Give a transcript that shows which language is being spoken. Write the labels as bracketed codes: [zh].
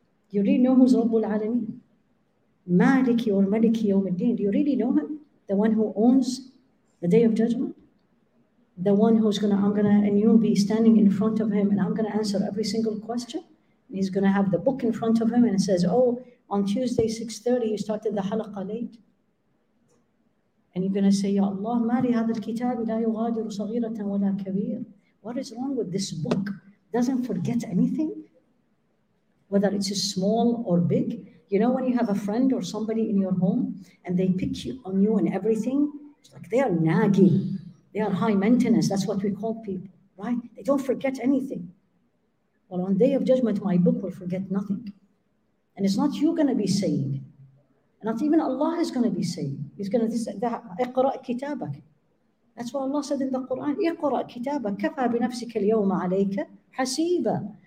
[en] Do you really know who's Rabbul Alameen? Maliki or Maliki Yawm al-Din, do you really know him? The one who owns the Day of Judgment, the one who's gonna, and you'll be standing in front of him, and I'm gonna answer every single question. And he's gonna have the book in front of him, and it says, "Oh, on Tuesday 6:30, you started the halaqa late." And you're gonna say, "Ya Allah, [ar] ما لي هذا الكتاب لا يغادر صغيرة ولا كبير." [en] What is wrong with this book? Doesn't forget anything, whether it's small or big. You know when you have a friend or somebody in your home and they pick you on you and everything? It's like they are naggy. They are high maintenance. That's what we call people, right? They don't forget anything. Well, on Day of Judgment, my book will forget nothing. And it's not you going to be saying. Not even Allah is going to be saying. He's going to say, [ar] اقرأ كتابك. [en] That's what Allah said in the Quran. [ar] اقرأ كتابك. كفى بنفسك اليوم عليك حسيبا.